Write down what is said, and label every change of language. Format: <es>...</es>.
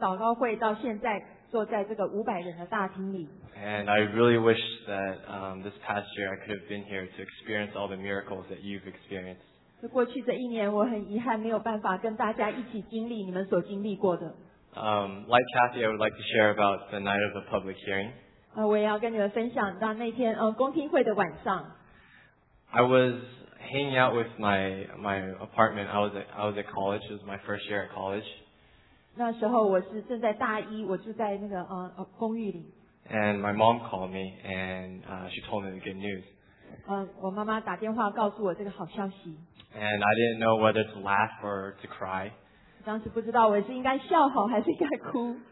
<zh>我亲眼看见这个教会从一个小小的祷告会到现在坐在这个500人的大厅里。</zh> <en>And I really wish that this past year I could have been here to experience all the miracles that you've experienced.</en> <zh>过去这一年我很遗憾没有办法跟大家一起经历你们所经历过的。</zh> <en>Like Kathy, I would like to share about the night of the public hearing.</en> <zh>我也要跟你们分享到那天公听会的晚上。</zh> <en>I was hanging out with my apartment. I was at college. It was my first year at college.</en> <zh>那时候我是正在大一，我住在那个公寓里。</zh> <en>And my mom called me, and she told me the good news.</en> <zh>我妈妈打电话告诉我这个好消息。</zh> <en>And I didn't know whether to laugh or to cry.</en> <zh>当时不知道我是应该笑好还是应该哭。</zh>